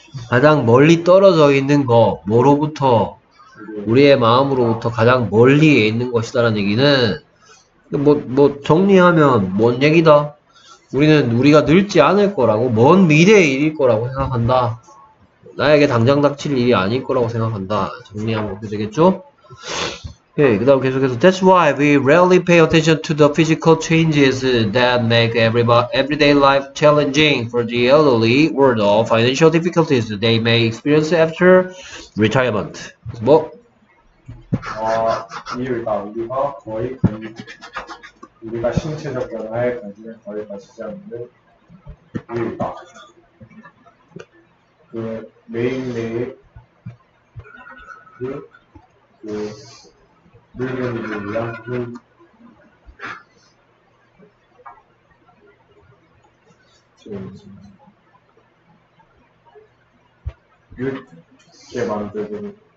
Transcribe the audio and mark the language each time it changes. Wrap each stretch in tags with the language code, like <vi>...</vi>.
<ko>가장 멀리 떨어져 있는 거, 뭐로부터, 우리의 마음으로부터 가장 멀리에 있는 것이다라는 얘기는, 뭐, 정리하면, 뭔 얘기다? 우리는 우리가 늙지 않을 거라고, 먼 미래의 일일 거라고 생각한다. 나에게 당장 닥칠 일이 아닐 거라고 생각한다. 정리하면 그렇게 되겠죠? 예, 그 다음 계속해서,</ko> <en>That's why we rarely pay attention to the physical changes that make everyday life challenging for the elderly or the financial difficulties they may experience after retirement.</en> <ko>뭐? 이유가 우리가 거의 우리가 신체적 변화에 관심을 거의 가지지 않는 이유가 그 매일매일 그 늙은 이들 위한 그 늙게 만드는</ko>